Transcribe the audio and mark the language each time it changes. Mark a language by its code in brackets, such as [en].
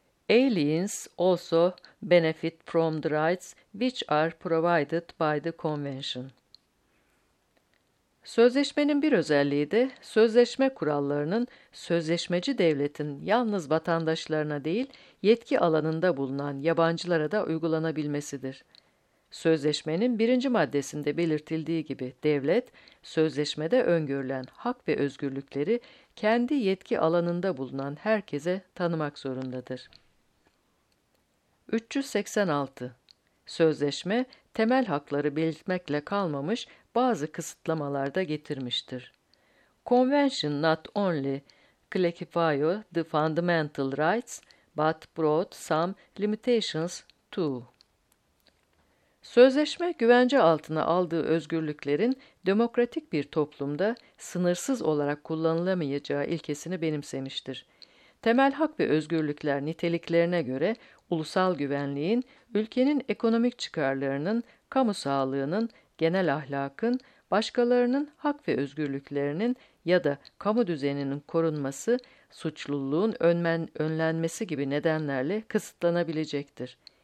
[en] Aliens also benefit from the rights which are provided by the convention. [tr] Sözleşmenin bir özelliği de sözleşme kurallarının sözleşmeci devletin yalnız vatandaşlarına değil yetki alanında bulunan yabancılara da uygulanabilmesidir. Sözleşmenin birinci maddesinde belirtildiği gibi devlet, sözleşmede öngörülen hak ve özgürlükleri kendi yetki alanında bulunan herkese tanımak zorundadır. 386. Sözleşme, temel hakları belirtmekle kalmamış bazı kısıtlamalar da getirmiştir. [en] Convention not only clarified the fundamental rights, but brought some limitations too. [tr] Sözleşme, güvence altına aldığı özgürlüklerin demokratik bir toplumda sınırsız olarak kullanılamayacağı ilkesini benimsemiştir. Temel hak ve özgürlükler niteliklerine göre ulusal güvenliğin, ülkenin ekonomik çıkarlarının, kamu sağlığının, genel ahlakın, başkalarının hak ve özgürlüklerinin ya da kamu düzeninin korunması, suçluluğun önlenmesi gibi nedenlerle kısıtlanabilecektir.